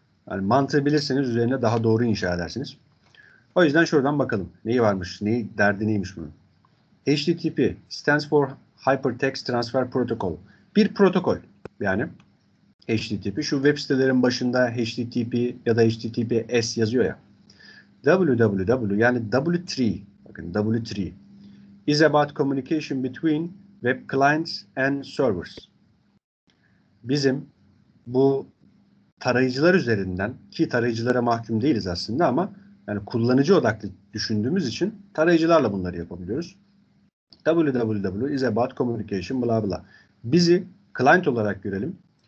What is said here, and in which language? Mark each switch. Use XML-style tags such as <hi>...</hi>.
<tr>Yani mantığı bilirseniz üzerine daha doğru inşa edersiniz. O yüzden şuradan bakalım. Neyi varmış? Neyi, derdi neymiş bunun?</tr> <en>HTTP stands for Hypertext Transfer Protocol.</en> <tr>Bir protokol. Yani HTTP. Şu web sitelerin başında HTTP ya da HTTPS yazıyor ya.</tr> <en>www</en> <tr>yani</tr> <en>W3,</en> <tr>bakın</tr> <en>W3 is about communication between web clients and servers.</en> <tr>Bizim bu tarayıcılar üzerinden, ki tarayıcılara mahkum değiliz aslında ama yani kullanıcı odaklı düşündüğümüz için tarayıcılarla bunları yapabiliyoruz.</tr> <en>www is about communication bla bla.</en> <tr>Bizi client olarak görelim.</tr>